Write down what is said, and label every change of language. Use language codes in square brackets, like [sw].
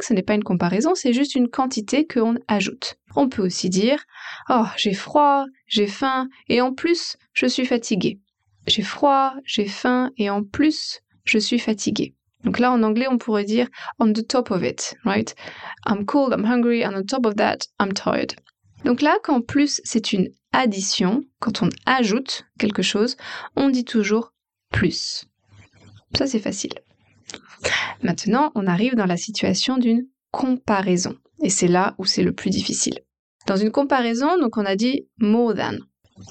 [fr] Ce n'est pas une comparaison, c'est juste une quantité qu'on ajoute. On peut aussi dire, oh, j'ai froid, j'ai faim, et en plus, je suis fatiguée. J'ai froid, j'ai faim, et en plus, je suis fatiguée. Donc là, en anglais, on pourrait dire « [en] on the top of it [fr] », right? [en] « I'm cold, I'm hungry, and on top of that, I'm tired ». [fr] Donc là, quand « plus » c'est une addition, quand on ajoute quelque chose, on dit toujours « plus ». Ça, c'est facile. Maintenant, on arrive dans la situation d'une comparaison. Et c'est là où c'est le plus difficile. Dans une comparaison, donc on a dit « more than ».